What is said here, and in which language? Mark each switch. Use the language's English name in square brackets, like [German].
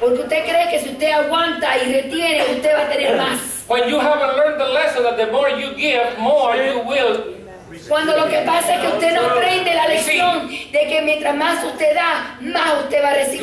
[Spanish] Porque usted cree que si usted aguanta y retiene, usted va a tener más. [English] When you haven't learned the lesson that the more you give, more you will. [Spanish] Cuando lo que pasa es que usted no aprende la lección de que mientras más usted da, más usted va a recibir.